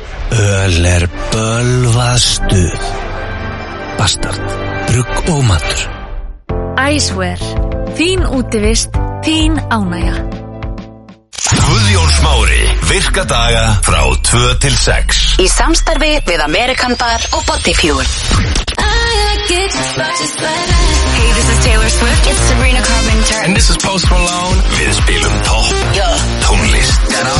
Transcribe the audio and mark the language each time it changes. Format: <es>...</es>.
<is>Öl bölvastuð. Bastard, brugg og matur. Icewear, þín útivist, þín ánægja. Guðjón Smári, virka daga frá 2 til 6 Í samstarfi við American Bar og Bodyfuel</is> <en>Hey, this is Taylor Swift It's Sabrina Carpenter And this is Post Malone</en> <is>Við spilum topp Tónlist</is>